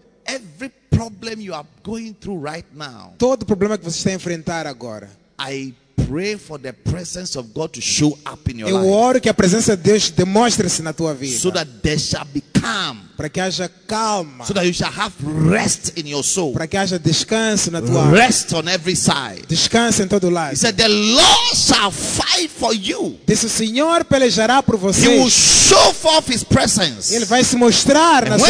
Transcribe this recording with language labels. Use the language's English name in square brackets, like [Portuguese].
[English] every problem you are going through right now, [Portuguese] todo problema que você está a enfrentar agora, [English] I pray for the presence of God to show up in your [Portuguese] life. Eu oro que a presença de Deus demonstre-se na tua vida. [English] So that there shall be calm. [Portuguese] Para que haja calma. [English] So that you shall have rest in your soul. [Portuguese] Para que haja descanso na tua [English] alma. Rest on every side. [Portuguese] Descanso em todo lado. [English] He said, "The Lord shall fight for you." [Portuguese] Disse, o Senhor pelejará por vocês. [English] He will show forth His presence. [Portuguese] Ele vai se mostrar na sua